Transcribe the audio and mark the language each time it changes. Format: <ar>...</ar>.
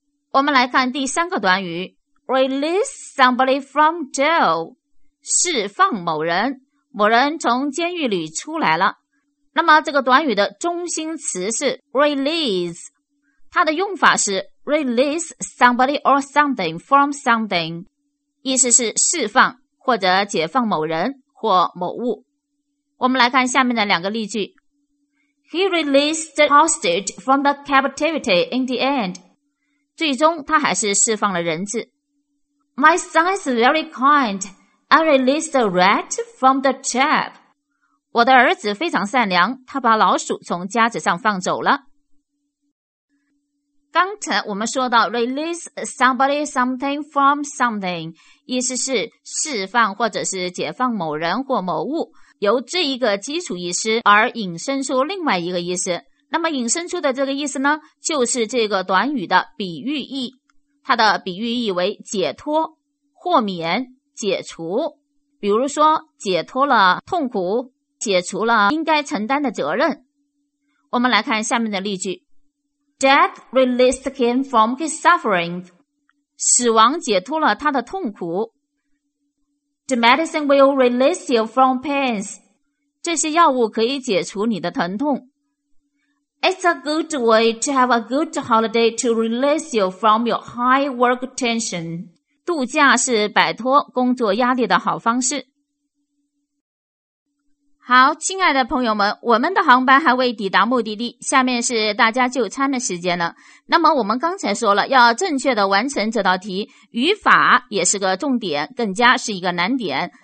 <zh>我们来看第三个短语</zh> <en>Release somebody from jail</en> <zh>释放某人从监狱里出来了那么这个短语的中心词是 release它的用法是</zh> <en>release somebody or something from something</en> <zh>意思是释放或者解放某人或某物我们来看下面的两个例句</zh> <en>He released the hostage from the captivity in the end.</en> <zh>最终他还是释放了人质。</zh> <en>My son is very kind. I released the rat from the trap.</en> <zh>我的儿子非常善良，他把老鼠从夹子上放走了。刚才我们说到</zh> <en>release somebody something from something，</en> <zh>意思是释放或者是解放某人或某物，由这一个基础意思而引申出另外一个意思。那么引申出的这个意思呢，就是这个短语的比喻意，它的比喻意为解脱、豁免、解除。比如说解脱了痛苦，解除了应该承担的责任。我们来看下面的例句。</zh> <en>Death released him from his suffering.</en> <zh>死亡解脱了他的痛苦。</zh> <en>The medicine will release you from pains.</en> <zh>这些药物可以解除你的疼痛。</zh> <en>It's a good way to have a good holiday to release you from your high work tension.</en> <zh>度假是摆脱工作压力的好方式。好，亲爱的朋友们，我们的航班还未抵达目的地，下面是大家就餐的时间了。那么我们刚才说了，要正确的完成这道题，语法也是个重点，更加是一个难点。</zh>